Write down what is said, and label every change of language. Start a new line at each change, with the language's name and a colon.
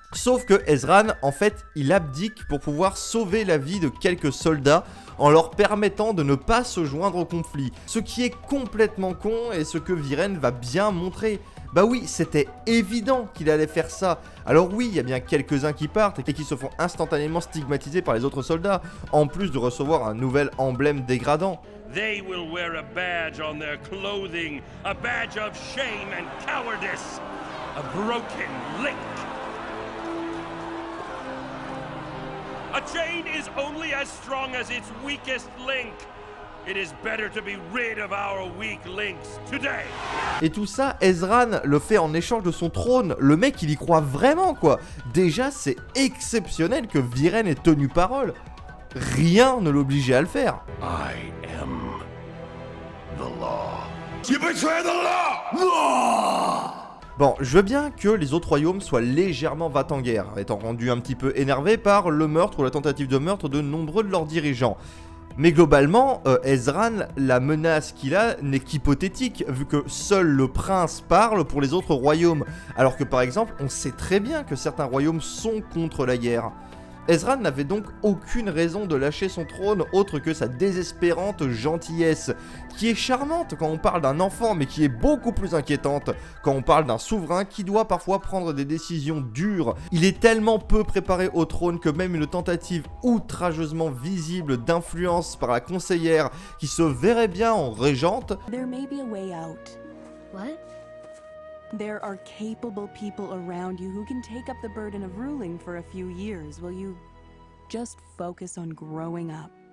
French: Sauf que Ezran, en fait, il abdique pour pouvoir sauver la vie de quelques soldats en leur permettant de ne pas se joindre au conflit. Ce qui est complètement con et ce que Viren va bien montrer. Bah oui, c'était évident qu'il allait faire ça. Alors oui, il y a bien quelques-uns qui partent et qui se font instantanément stigmatiser par les autres soldats, en plus de recevoir un nouvel emblème dégradant.
English: They will wear a badge on their clothing, a badge of shame and cowardice, a broken link. A chain is only as strong as its weakest link. It is better to be rid of our weak links today.
French: Et tout ça, Ezran le fait en échange de son trône. Le mec, il y croit vraiment, quoi. Déjà, c'est exceptionnel que Viren ait tenu parole. Rien ne l'obligeait à le faire.
English: I am the law. You betray the law! No!
French: Bon, je veux bien que les autres royaumes soient légèrement va-t-en-guerre, étant rendus un petit peu énervés par le meurtre ou la tentative de meurtre de nombreux de leurs dirigeants. Mais globalement, Ezran, la menace qu'il a n'est qu'hypothétique, vu que seul le prince parle pour les autres royaumes, alors que par exemple, on sait très bien que certains royaumes sont contre la guerre. Ezra n'avait donc aucune raison de lâcher son trône autre que sa désespérante gentillesse, qui est charmante quand on parle d'un enfant, mais qui est beaucoup plus inquiétante quand on parle d'un souverain qui doit parfois prendre des décisions dures. Il est tellement peu préparé au trône que même une tentative outrageusement visible d'influence par la conseillère qui se verrait bien en régente.
English: There may be a way out. What? There are capable people around you who can take up the burden of ruling for a few years. Will you just focus on growing up?